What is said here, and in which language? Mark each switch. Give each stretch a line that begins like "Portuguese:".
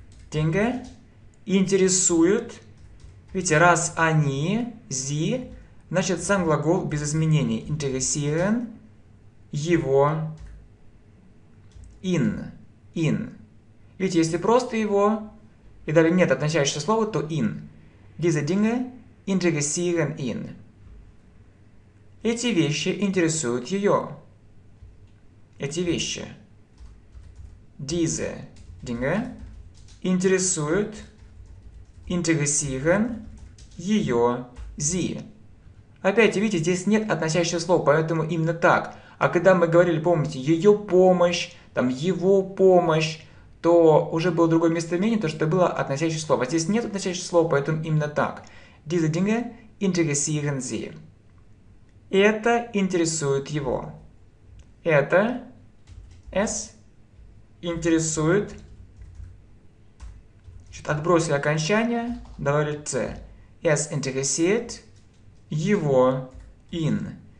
German: Dinge.
Russian: Интересуют. Видите, раз они,
German: sie,
Russian: значит, сам глагол без изменений.
German: Interessieren.
Russian: Его.
German: In. In.
Russian: Видите, если просто его... И далее нет относящегося слова, то in.
German: Diese Dinge interessieren ihn.
Russian: Эти вещи интересуют ее. Эти вещи.
German: Diese Dinge
Russian: интересуют,
German: interessieren
Russian: ее,
German: sie.
Russian: Опять, видите, здесь нет относящегося слова, поэтому именно так. А когда мы говорили, помните, ее помощь, там, его помощь, то уже было другое местоимение, то, что было относящее слово. А здесь нет относящего слова, поэтому именно так.
German: Diese Dinge interessieren sie.
Russian: Это интересует его. Это,
German: es,
Russian: интересует. Значит, отбросили окончание, добавили c.
German: Es interessiert
Russian: его
German: in.